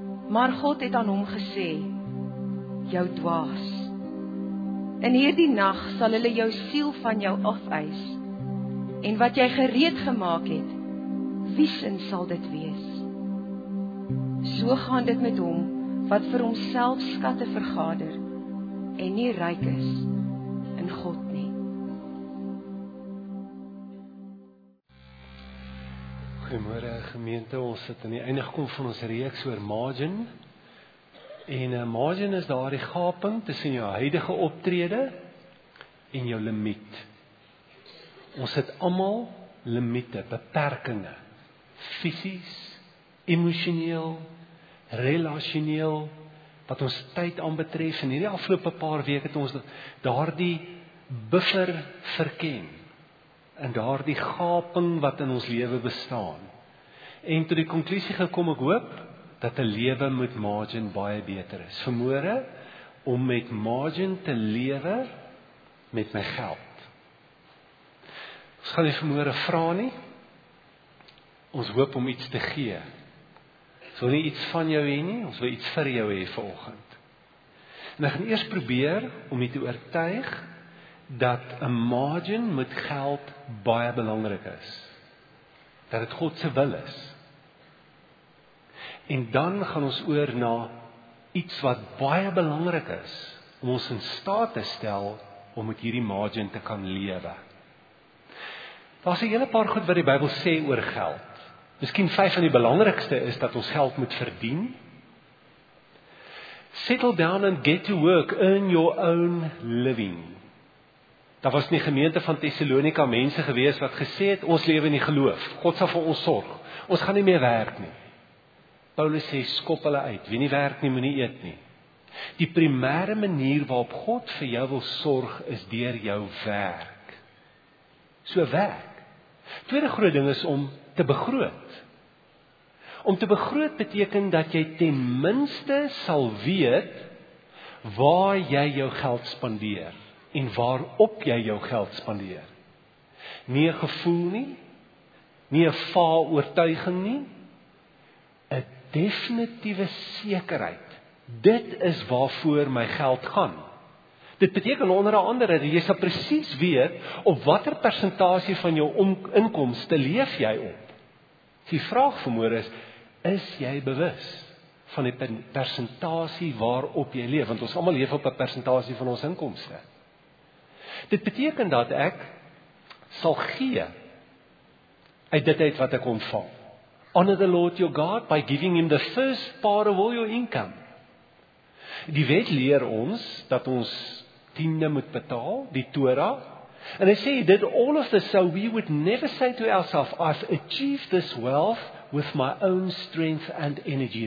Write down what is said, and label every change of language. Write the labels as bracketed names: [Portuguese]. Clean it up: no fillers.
[Afrikaans] Maar God het aan hom gesê, Jou dwaas. In hierdie nag sal hulle jou siel van jou afeis. En wat jy gereed gemaak het, wie sin sal dit wees? So gaan dit met hom, wat vir homself skatte vergader en nie ryk is in God nie. Goeiemôre gemeente, ons sit aan die einde gekom van ons reeks oor margin. En margin is daardie gaping tussen jou huidige optrede en jou limiet. Ons het almal limiete, beperkinge, fisies, emosioneel, relasioneel, wat ons tyd aanbetref. In hierdie afgelope paar weke het ons daardie buffer verken en daardie gaping wat in ons lewe bestaan. En tot die konklusie gekom, ek hoop, dat 'n lewe met margin baie beter is. Vermore, om met margin te lewe met my geld. Ons gaan nie vanmôre vra nie. Ons hoop om iets te gee. Ons wil nie iets van jou hê nie, ons wil iets vir jou hê vanoggend. En ek gaan eers probeer om jou te oortuig dat 'n margin met geld baie belangrik is. Dat dit God se wil is. En dan gaan ons oor na iets wat baie belangrik is om ons in staat te stel om met hierdie margin te kan lewe. Daar is 'n hele paar goed wat die Bybel sê oor geld. Miskien vyf van die belangrikste is dat ons geld moet verdien. [English] Settle down and get to work, earn your own living. [Afrikaans] Daar was in die gemeente van Thessalonica mense gewees wat gesê het, ons lewe in die geloof, God sal vir ons sorg, ons gaan nie meer werk nie. Paulus sê, skop hulle uit, wie nie werk nie, moet nie eet nie. Die primêre manier waarop God vir jou wil sorg is deur jou werk. So werk. Tweede groot ding is om te begroot. Om te begroot beteken dat jy ten minste sal weet waar jy jou geld spandeer en waarop jy jou geld spandeer. Nie 'n gevoel nie, nie 'n vaal oortuiging nie, 'n definitiewe sekerheid. Dit is waarvoor my geld gaan. Dit beteken onder andere dat jy sal presies weet op watter persentasie van jou inkomste leef jy op. Die vraag vanmôre is jy bewus van die persentasie waarop jy leef? Want ons almal leef op 'n persentasie van ons inkomste. Dit beteken dat ek sal gee uit dit uit wat ek ontvang. [English] Honor the Lord your God by giving him the first part of all your income. [Afrikaans] Die wet leer ons dat ons tiende moet betaal, die Torah, en hy sê, [English] did all of this, so we would never say to ourselves, I've achieved this wealth with my own strength and energy.